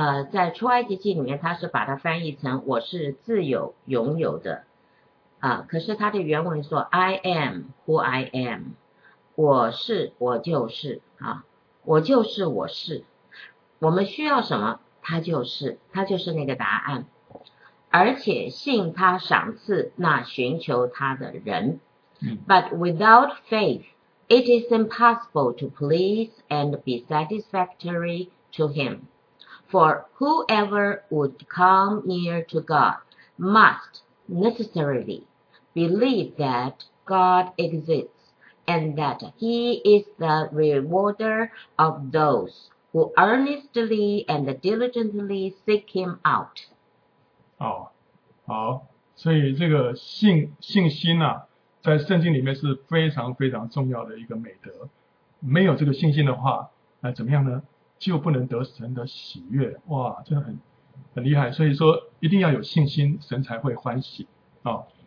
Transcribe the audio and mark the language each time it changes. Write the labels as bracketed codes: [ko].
[zh] 在出埃及记里面，他是把它翻译成我是自由拥有的可是他的原文说 [en] I am who I am， [zh] 我是我就是啊，我就是我是，我们需要什么他就是那个答案。而且信他赏赐那寻求他的人。 [en] But without faith, it is impossible to please and be satisfactory to him. For whoever would come near to God must necessarily believe that God exists and that he is the rewarder of those who earnestly and diligently seek him out. [zh] 好，所以这个信心啊，在圣经里面是非常非常重要的一个美德。没有这个信心的话，那怎么样呢？就不能得神的喜悦。哇，这个很厉害。所以说，一定要有信心，神才会欢喜啊。